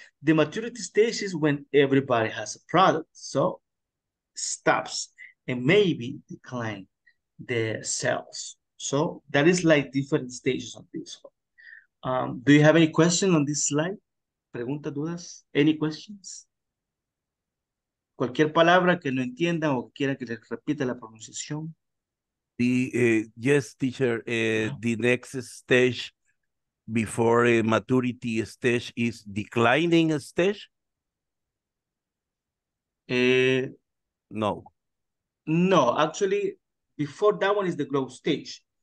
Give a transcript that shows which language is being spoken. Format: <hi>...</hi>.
<en>The maturity stage is when everybody has a product. So stops and maybe decline their sales. So that is like different stages on this one. Do you have any question on this slide?</en> <es>Pregunta, dudas?</es> <en>Any questions?</en> <es>Cualquier palabra que no entienda o quiera que les repita la pronunciación.</es> <en>Yes, teacher. The next stage before a maturity stage is declining stage? No. No, actually, before that one is the growth stage.</en>